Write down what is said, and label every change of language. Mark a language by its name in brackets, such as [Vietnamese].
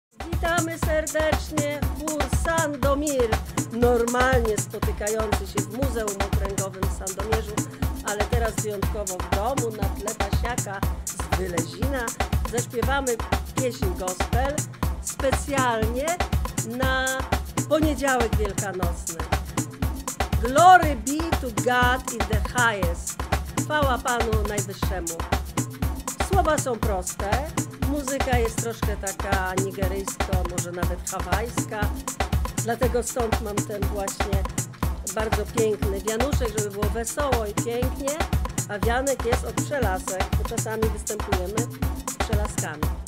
[Polish] Witamy serdecznie Bór Sandomir, normalnie spotykający się w Muzeum Okręgowym w Sandomierzu, ale teraz wyjątkowo w domu na tle pasiaka z Wylezina. Zaśpiewamy pieśń gospel specjalnie na poniedziałek wielkanocny. [English] Glory be to God in the highest. [Polish] Chwała Panu Najwyższemu. Słowa są proste. Muzyka jest troszkę taka nigeryjska, może nawet hawajska. Dlatego stąd mam ten właśnie bardzo piękny wianuszek, żeby było wesoło i pięknie. A wianek jest od przelasek, bo czasami występujemy z przelaskami.